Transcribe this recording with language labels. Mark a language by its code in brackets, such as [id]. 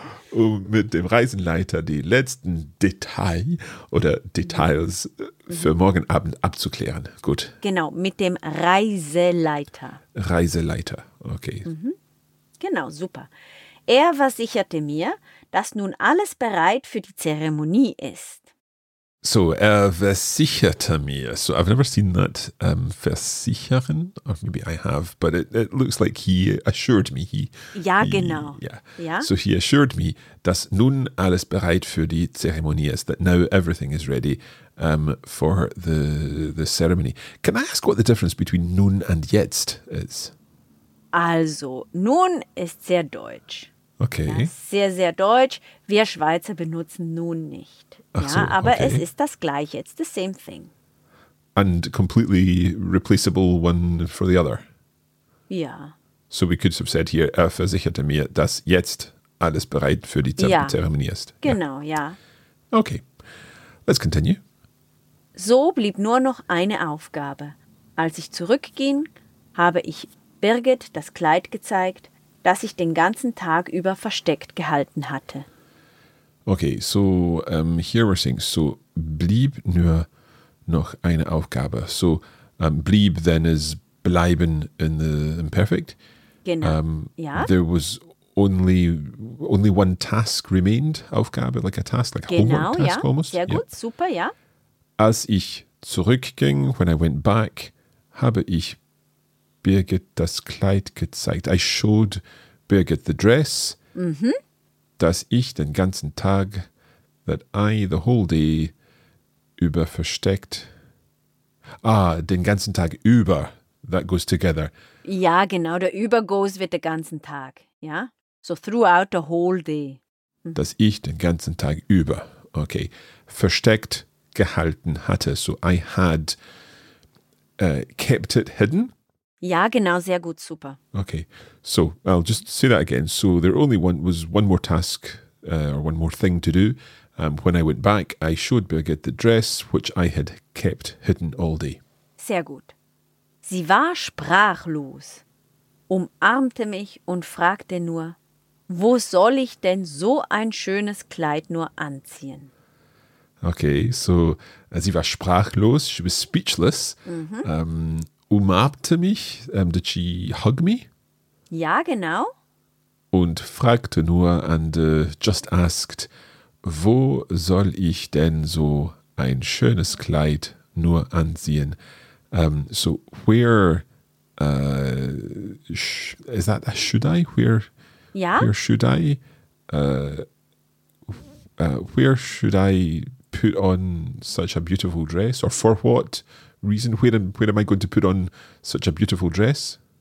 [de] Um mit dem Reisenleiter die letzten Detail oder Details für morgen Abend abzuklären. Gut. Genau, mit dem Reiseleiter. Reiseleiter, okay. Genau, super. Er versicherte mir, dass nun alles bereit für die Zeremonie ist. So, er versicherte mir. [en] So, I've never seen that versichern. Or maybe I have, but it looks like he assured me. [de] Genau. [en] Yeah. Yeah. So he assured me, [de] dass nun alles bereit für die Zeremonie ist, [en] that now everything is ready for the ceremony. Can I ask what the difference between nun and jetzt is? [de] Also, nun ist sehr deutsch. Okay. Ja, sehr, sehr deutsch. Wir Schweizer benutzen nun nicht. Ach so, ja, aber okay. Es ist das Gleiche. [en] It's the same thing. And completely replaceable one for the other. [de] Ja. [en] So we could have said here, [de] er versicherte mir, dass jetzt alles bereit für die Zeremonie ist. Genau, ja. [en] Okay. Let's continue. [de] So blieb nur noch eine Aufgabe. Als ich zurückging, habe ich Birgit das Kleid gezeigt, das ich den ganzen Tag über versteckt gehalten hatte. [en] Okay, so here we're saying, [de] so blieb nur noch eine Aufgabe. [en] So blieb then is bleiben in the imperfect. [de] Genau, ja. [en] There was only one task remained, Aufgabe, like a task, like [de] genau, [en] a homework task almost. [de] Sehr gut, super, ja. Als ich zurückging, [en] when I went back, [de] habe ich Birgit das Kleid gezeigt. [en] I showed Birgit the dress, [de] das ich den ganzen Tag, [en] that I the whole day, [de] über versteckt. Ah, den ganzen Tag über, [en] that goes together. [de] Ja, genau, der über [en] goes with [de] den ganzen Tag, ja? [en] So throughout the whole day. [de] Das ich den ganzen Tag über, okay, versteckt gehalten hatte. [en] So I had kept it hidden. [de] Ja, genau, sehr gut, super. [en] Okay, so I'll just say that again. So there only was one more task or one more thing to do. When I went back, I showed Birgit the dress, which I had kept hidden all day. [de] Sehr gut. Sie war sprachlos, umarmte mich und fragte nur, wo soll ich denn so ein schönes Kleid nur anziehen? [en] Okay, so [de] sie war sprachlos, [en] she was speechless. [de] Umarmte mich, [en] did she hug me? [de] Ja, genau. Und fragte nur [en] and just asked, [de] wo soll ich denn so ein schönes Kleid nur anziehen? [en] So where is that a should I? Where? [de] Ja. [en] Where should I? Where should I put on such a beautiful dress or for what? Reason, where am I going to put on such a beautiful dress?